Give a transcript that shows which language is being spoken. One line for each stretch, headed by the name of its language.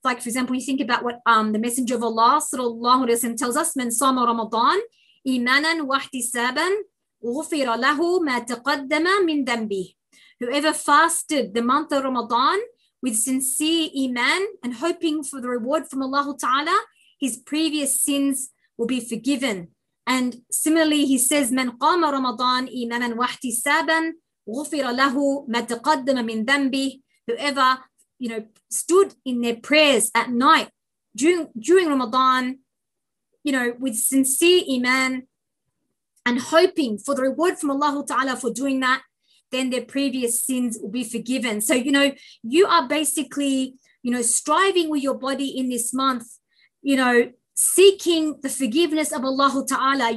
English: Like, for example, you think about what the Messenger of Allah sallallahu alaihi wasallam tells us,
Arabic: من صام رمضان إيمانا واحتسابا غفر له ما تقدم من ذنبه.
English: Whoever fasted the month of Ramadan with sincere iman and hoping for the reward from Allah Ta'ala, his previous sins will be forgiven. And similarly, he says,
Arabic: من قام رمضان إيمانا واحتسابا غفر له ما تقدم من ذنبه.
English: Whoever, you know, stood in their prayers at night during Ramadan, you know, with sincere iman and hoping for the reward from Allah Ta'ala for doing that, then their previous sins will be forgiven. So, you know, you are basically, you know, striving with your body in this month, you know, seeking the forgiveness of Allah Ta'ala.